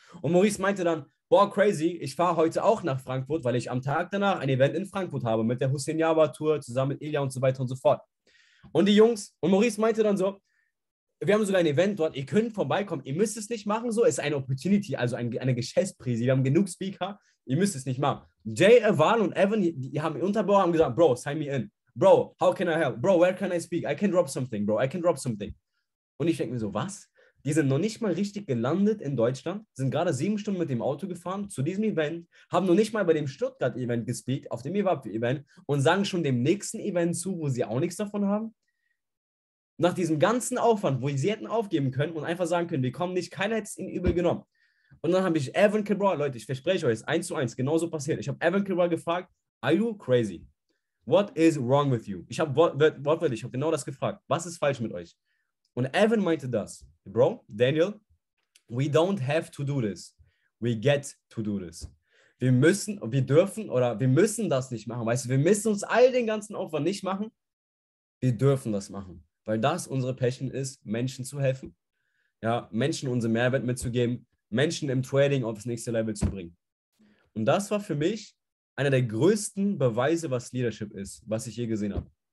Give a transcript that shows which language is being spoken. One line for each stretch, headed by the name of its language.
German: Und Maurice meinte dann, boah, crazy, ich fahre heute auch nach Frankfurt, weil ich am Tag danach ein Event in Frankfurt habe mit der Hussein Yavar Tour zusammen mit Ilya und so weiter und so fort. Und die Jungs, und Maurice meinte dann so, wir haben sogar ein Event dort, ihr könnt vorbeikommen, ihr müsst es nicht machen, so ist eine Opportunity, also eine Geschäftsprise. Wir haben genug Speaker, ihr müsst es nicht machen. Jay Aval und Evan, die haben unterbrochen, haben gesagt, Bro,
English: sign me in. Bro, how can I help? Bro, where can I speak? I can drop something, Bro, I can drop something.
German: Und ich denke mir so, was? Die sind noch nicht mal richtig gelandet in Deutschland, sind gerade 7 Stunden mit dem Auto gefahren zu diesem Event, haben noch nicht mal bei dem Stuttgart-Event gespeakt, auf dem EWAP-Event und sagen schon dem nächsten Event zu, wo sie auch nichts davon haben. Nach diesem ganzen Aufwand, wo sie hätten aufgeben können und einfach sagen können, wir kommen nicht, keiner hätte es ihnen übel genommen. Und dann habe ich Evan Kilbrough, Leute, ich verspreche euch, 1:1, genauso passiert. Ich habe Evan Kilbrough gefragt,
English: are you crazy? What is wrong with you?
German: Ich habe genau das gefragt. Was ist falsch mit euch? Und Evan meinte das,
English: Bro, Daniel, we don't have to do this. We get to do this.
German: wir müssen, wir dürfen oder wir müssen das nicht machen. Weißt du, wir müssen uns all den ganzen Aufwand nicht machen. Wir dürfen das machen, weil das unsere Passion ist, Menschen zu helfen. Ja, Menschen unseren Mehrwert mitzugeben, Menschen im Trading aufs nächste Level zu bringen. Und das war für mich einer der größten Beweise, was Leadership ist, was ich je gesehen habe.